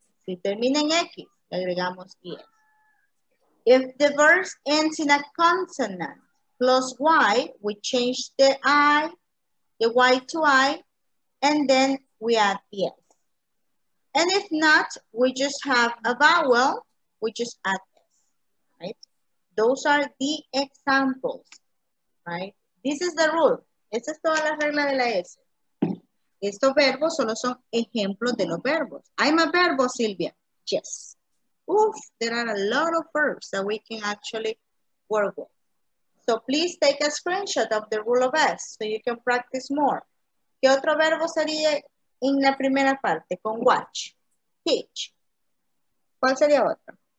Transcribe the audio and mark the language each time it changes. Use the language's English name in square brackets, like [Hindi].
[Spanish] Si termina en X, le agregamos [English] yes. If the verb ends in a consonant plus Y, we change the I, the Y to I, and then we add yes. And if not, we just have a vowel, we just add S, right? Those are the examples, right? This is the rule. [Spanish] Esta es toda la regla de la S. Estos verbos solo son ejemplos de los verbos. [English] I'm a verbo, Silvia. Yes. Oof, there are a lot of verbs that we can actually work with. So please take a screenshot of the rule of S so you can practice more. [Spanish] ¿Qué otro verbo sería en la primera parte con watch? Teach. ¿Cuál sería otro?